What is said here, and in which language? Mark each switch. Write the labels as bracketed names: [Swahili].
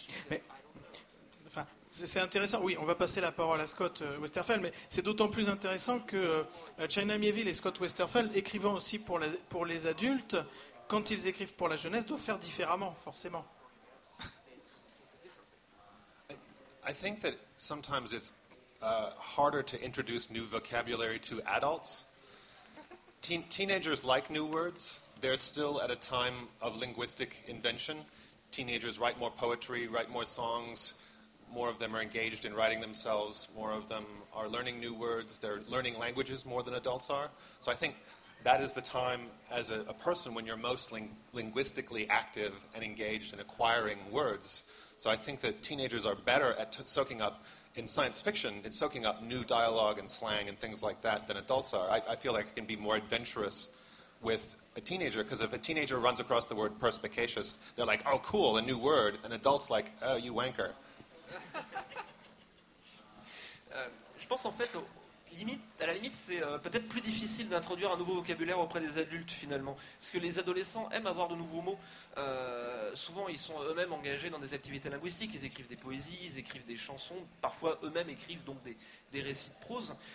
[French] Mais, enfin, c'est intéressant. Oui, on va passer la parole à Scott Westerfeld, mais c'est d'autant plus intéressant que China Mieville et Scott Westerfeld, écrivant aussi pour les adultes, quand ils écrivent pour la jeunesse, doivent faire différemment, forcément. [English] I think that sometimes it's harder to introduce new vocabulary to adults. Teenagers like new words. They're still at a time of linguistic invention. Teenagers write more poetry, write more songs. More of them are engaged in writing themselves. More of them are learning new words. They're learning languages more than adults are. So I think that is the time as a person when you're most linguistically active and engaged in acquiring words. So I think that teenagers are better at soaking up in science fiction, in soaking up new dialogue and slang and things like that than adults are. I feel like I can be more adventurous with a teenager, because if a teenager runs across the word perspicacious, they're like, oh, cool, a new word. An adult's like, oh, you wanker. [French] Je pense en fait, à la limite, c'est peut-être plus difficile d'introduire un nouveau vocabulaire auprès des adultes, finalement. Parce que les adolescents aiment avoir de nouveaux mots. Souvent, ils sont eux-mêmes engagés dans des activités linguistiques. Ils écrivent des poésies, ils écrivent des chansons. Parfois, eux-mêmes écrivent donc des récits de prose.